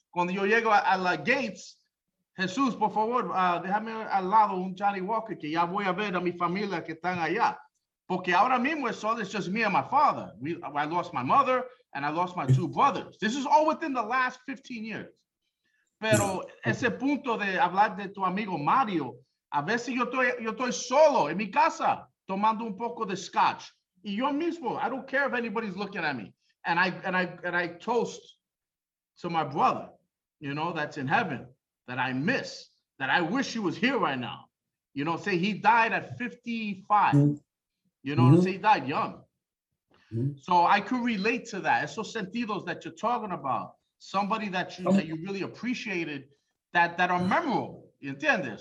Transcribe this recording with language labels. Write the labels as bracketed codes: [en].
[es] Cuando yo llego a la gates, Jesús, por favor, déjame al lado un Johnny Walker, que ya voy a ver a mi familia que están allá. Porque ahora mismo es solo, [en] it's just me and my father. I lost my mother and I lost my two brothers. This is all within the last 15 years. [es] Pero ese punto de hablar de tu amigo Mario, a veces yo estoy solo en mi casa tomando un poco de scotch. Y yo mismo, [en] I don't care if anybody's looking at me. And I toast to my brother, you know, that's in heaven, that I miss, that I wish he was here right now. You know, say he died at 55. You know, say he died young. So I could relate to that. [es] Esos sentidos [en] that you're talking about, somebody that you really appreciated, that are memorable. [es] ¿Entiendes?